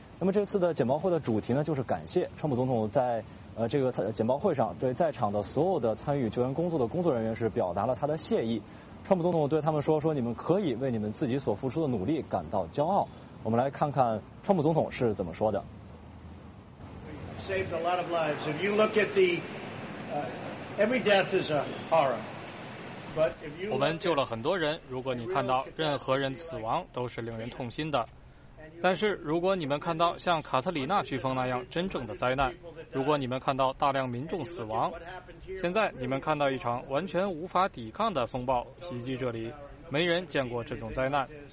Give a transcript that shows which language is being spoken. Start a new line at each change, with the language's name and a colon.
Chinese: 那么这次的简报会的主题呢，就是感谢川普总统在这个简报会上对在场的所有的参与救援工作的工作人员是表达了他的谢意。川普总统对他们说，说你们可以为你们自己所付出的努力感到骄傲。我们来看看川普总统是怎么说的。
English: Saved a lot of lives. If you look at the, every death is a horror. But if you
Chinese: 我们救了很多人，如果你看到任何人死亡都是令人痛心的。但是如果你们看到像卡特里娜飓风那样真正的灾难，如果你们看到大量民众死亡，现在你们看到一场完全无法抵抗的风暴袭击这里，没人见过这种灾难。